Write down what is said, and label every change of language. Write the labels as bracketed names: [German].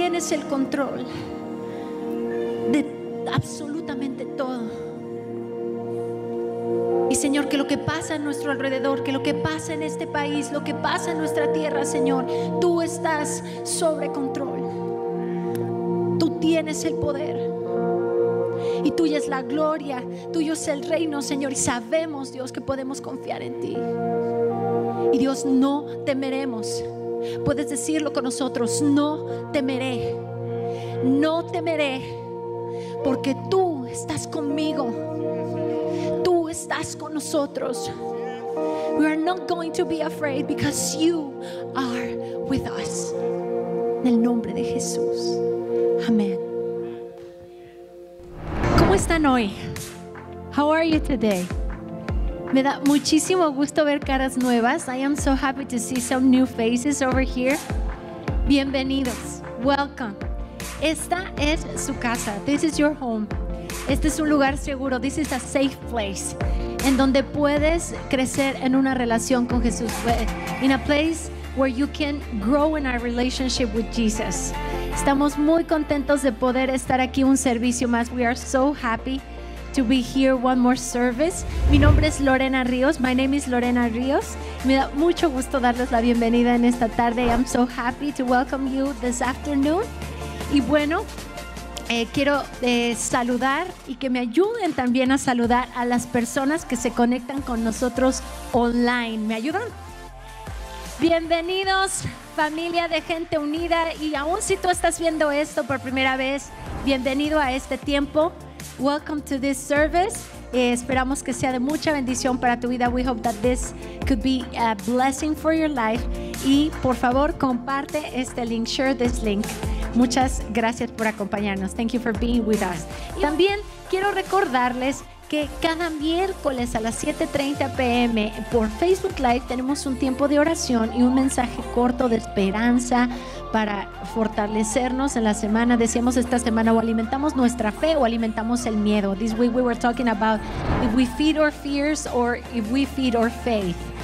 [Spanish] El control de absolutamente todo, y Señor, que lo que pasa a nuestro alrededor, que lo que pasa en este país, lo que pasa en nuestra tierra, Señor, tú estás sobre control, tú tienes el poder y tuya es la gloria, tuyo es el reino, Señor, y sabemos, Dios, que podemos confiar en ti, y Dios, no temeremos. Puedes decirlo con nosotros: no temeré, no temeré, porque tú estás conmigo, tú estás con nosotros. [English] We are not going to be afraid because you are with us. [Spanish] En el nombre de Jesús, amén. ¿Cómo están hoy? [English] How are you today? [Spanish] Me da muchísimo gusto ver caras nuevas. [English] I am so happy to see some new faces over here. [Spanish] Bienvenidos. [English] Welcome. [Spanish] Esta es su casa. [English] This is your home. [Spanish] Este es un lugar seguro. [English] This is a safe place. [Spanish] En donde puedes crecer en una relación con Jesús. [English] In a place where you can grow in a relationship with Jesus. [Spanish] Estamos muy contentos de poder estar aquí un servicio más. [English] We are so happy to be here one more service. [Spanish] Mi nombre es Lorena Ríos. [English] My name is Lorena Ríos. [Spanish] Me da mucho gusto darles la bienvenida en esta tarde. [English] I'm so happy to welcome you this afternoon. [Spanish] Y bueno, quiero saludar y que me ayuden también a saludar a las personas que se conectan con nosotros online. ¿Me ayudan? Bienvenidos, familia de Gente Unida. Y aún si tú estás viendo esto por primera vez, bienvenido a este tiempo. [English] Welcome to this service. [Spanish] Esperamos que sea de mucha bendición para tu vida. [English] We hope that this could be a blessing for your life. [Spanish] Y por favor, comparte este link. [English] Share this link. [Spanish] Muchas gracias por acompañarnos. [English] Thank you for being with us. [Spanish] También quiero recordarles que cada miércoles a las 7:30 p.m. por Facebook Live tenemos un tiempo de oración y un mensaje corto de esperanza para fortalecernos en la semana. Decíamos esta semana, o alimentamos nuestra fe o alimentamos el miedo. [English] This week we were talking about if we feed our fears or if we feed our faith.